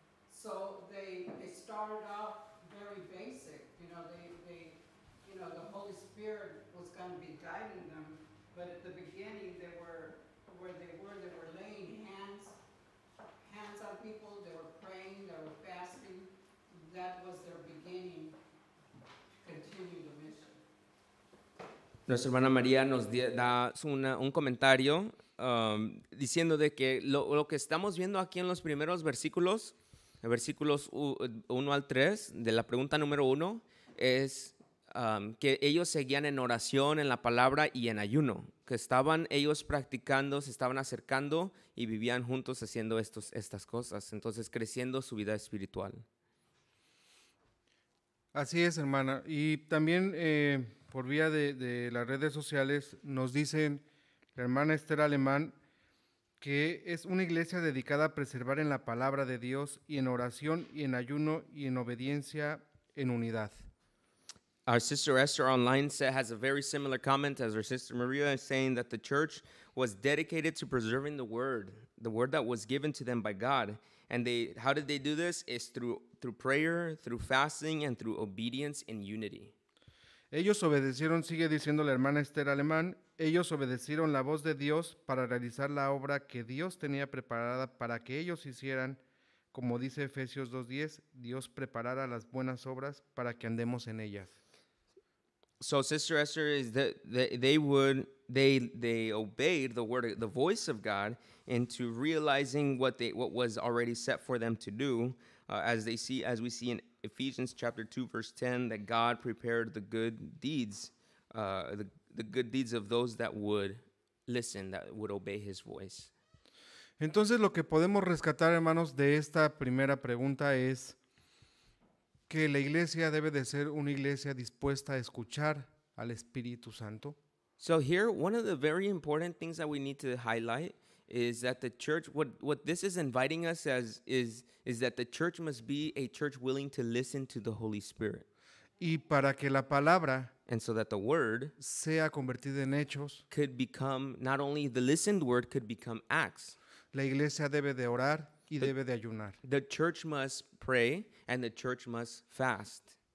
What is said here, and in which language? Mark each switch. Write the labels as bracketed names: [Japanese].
[English] So they started off very basic, you know, they the Holy Spirit was going to be guiding them, but at the beginning they were laying hands on people, they were praying, they were fasting. That was their beginning to continue the mission. [Spanish] Nuestra hermana María nos da un comentario diciendo de que lo que estamos viendo aquí en los primeros versículos, versículos 1 al 3 de la pregunta número 1, es que ellos seguían en oración, en la palabra y en ayuno, que estaban ellos practicando, se estaban acercando y vivían juntos haciendo estas cosas, entonces creciendo su vida espiritual. Así es, hermana. Y también por vía de las redes sociales nos dicen la hermana Esther Alemán, que es una iglesia dedicada a preservar en la palabra de Dios y en oración y en ayuno y en obediencia en unidad. [English] Our sister Esther online has a very similar comment as our sister Maria, saying that the church was dedicated to preserving the word that was given to them by God. And they, how did they do this? It's through prayer, through fasting, and through obedience in unity. [Spanish] Ellos obedecieron, sigue diciendo la hermana Esther Alemán, ellos obedecieron la voz de Dios para realizar la obra que Dios tenía preparada para que ellos hicieran, como dice Efesios 2:10, Dios preparara las buenas obras para que andemos en ellas. [English] So Sister Esther is that they obeyed the word, the voice of God, into realizing what was already set for them to do, as we see in Ephesians chapter 2 verse 10, that God prepared the good deeds, the good deeds of those that would listen, that would obey his voice. [Spanish] Entonces, lo que podemos rescatar, hermanos, de esta primera pregunta es que la iglesia debe de ser una iglesia dispuesta a escuchar al Espíritu Santo. [English] So here, one of the very important things that we need to highlight is that the church, what this is inviting us as is that the church must be a church willing to listen to the Holy Spirit. [Spanish] Y para que la palabra, [English] and so that the word, [Spanish] sea convertida en hechos, [English] could become, not only the listened word could become acts. [Spanish] La iglesia debe de orar y debe de ayunar. [English] The church must pray and the church must fast.